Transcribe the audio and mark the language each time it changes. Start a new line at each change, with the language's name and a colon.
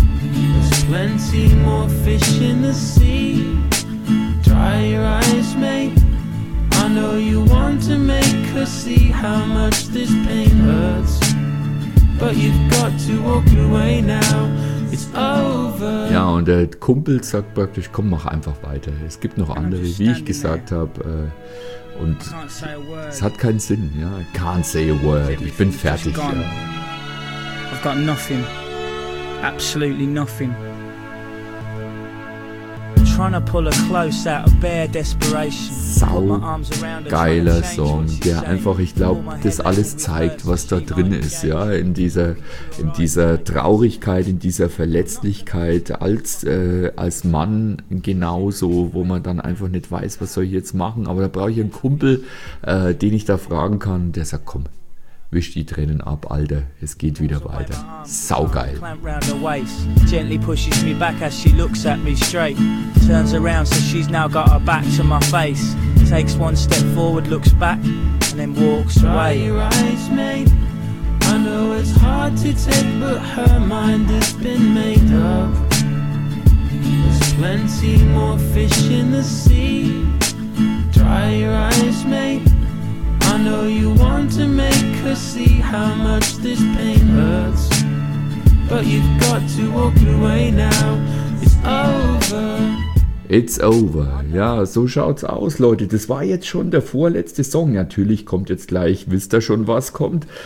English: There's plenty more fish in the sea. Dry your eyes, mate. I know you want to make her see how much this pain hurts. But you've got to walk away now, it's over.
German: Ja, und der Kumpel sagt praktisch, komm, mach einfach weiter. Es gibt noch andere, wie ich gesagt habe. Und es hat keinen Sinn, ja.
English: I can't say a word,
German: ich bin fertig.
English: I've got nothing, absolutely nothing. Trying to pull her close out of bare desperation.
German: Sau geiler Song, der einfach, ich glaube, das alles zeigt, was da drin ist, ja, in dieser Traurigkeit, in dieser Verletzlichkeit, als Mann genauso, wo man dann einfach nicht weiß, was soll ich jetzt machen, aber da brauche ich einen Kumpel, den ich da fragen kann, der sagt, komm, wisch die Tränen ab, Alter, es geht wieder weiter. Saugeil.
English: Gently pushes me back as she looks at me straight. Turns around so she's now got her back to my face. Takes one step forward, looks back and then walks away. Dry your eyes, mate. I know it's hard to take, but her mind has been made up. There's plenty more fish in the sea. Dry your eyes, mate. I know you want to make her see how much this pain hurts. But you've got to walk away now, it's over. It's over.
German: Ja, so schaut's aus, Leute. Das war jetzt schon der vorletzte Song. Natürlich kommt jetzt gleich, wisst ihr schon, was kommt.